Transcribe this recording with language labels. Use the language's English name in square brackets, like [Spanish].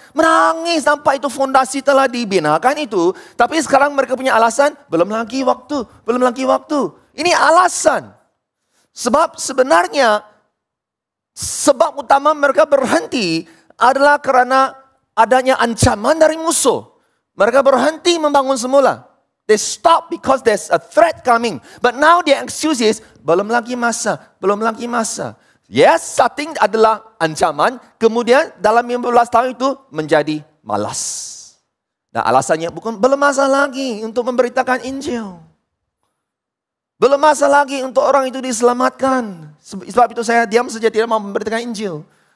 [Malay] Menangis nampak itu fondasi telah dibinakan itu. Tapi sekarang mereka punya alasan, belum lagi waktu. Ini alasan. Sebab sebenarnya, sebab utama mereka berhenti adalah kerana adanya ancaman dari musuh. Mereka berhenti membangun semula. [English] They stop because there's a threat coming. But now their excuse is, [Malay] belum lagi masa. Yes, starting adalah ancaman. Kemudian dalam 15 tahun itu menjadi malas. Nah, alasannya bukan belum masa lagi untuk memberitakan Injil. Belum masa lagi untuk orang itu diselamatkan. Sebab itu saya diam saja tidak mau memberitakan Injil.